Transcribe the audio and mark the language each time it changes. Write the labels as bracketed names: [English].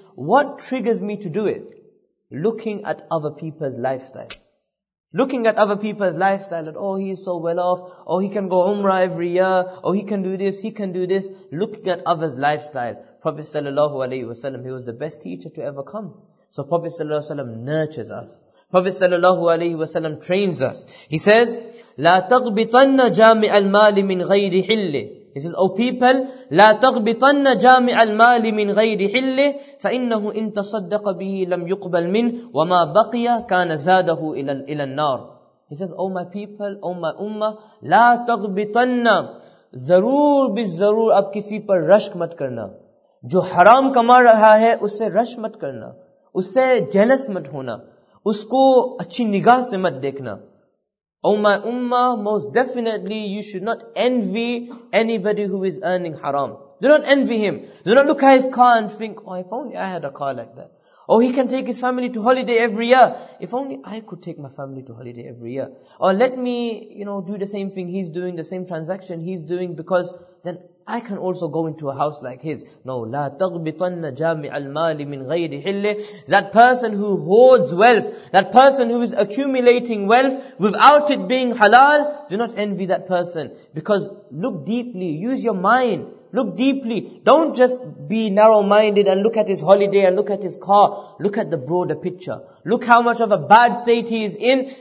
[English] What triggers me to do it? Looking at other people's lifestyle. Looking at other people's lifestyle, that, oh, he's so well off, oh, he can go Umrah every year, oh, he can do this, he can do this. Looking at others' lifestyle. Prophet sallallahu alayhi wa sallam, he was the best teacher to ever come. So Prophet sallallahu alayhi wa sallam nurtures us. Prophet sallallahu alayhi wa sallam trains us. He says, [Arabic] لَا تَغْبِطَنَّ جَامِعَ الْمَالِ مِنْ غَيْرِ حِلِّ. [English] He says, oh people, [Arabic] لَا تَغْبِطَنَّ جَامِعَ الْمَالِ مِنْ غَيْرِ حِلِّ فَإِنَّهُ إِن تَصَدَّقَ بِهِ لَمْ يُقْبَلْ مِنْ وَمَا بَقِيَ كَانَ زَادَهُ إِلَى النَّارِ. [English] He says, oh my people, oh my ummah, [Arabic] لَا تَغْبِطَنَّ. [Urdu] ضرور بالضرور اب کسی پر رشک مت کرنا. جو حرام کما رہا ہے اس سے رش مت کرنا, اس سے جیلس مت ہونا, اس کو اچھی نگاہ سے مت دیکھنا. [English] Oh my ummah, most definitely you should not envy anybody who is earning haram. Do not envy him. Do not look at his car and think, oh, if only I had a car like that. Oh, he can take his family to holiday every year. If only I could take my family to holiday every year. Or let me, you know, do the same thing he's doing, the same transaction he's doing, because then I can also go into a house like his. No, [Arabic] لا تغبطن جامع المال من غير حله. [English] That person who hoards wealth, that person who is accumulating wealth without it being halal, do not envy that person. Because look deeply, use your mind. Look deeply. Don't just be narrow-minded and look at his holiday and look at his car. Look at the broader picture. Look how much of a bad state he is in.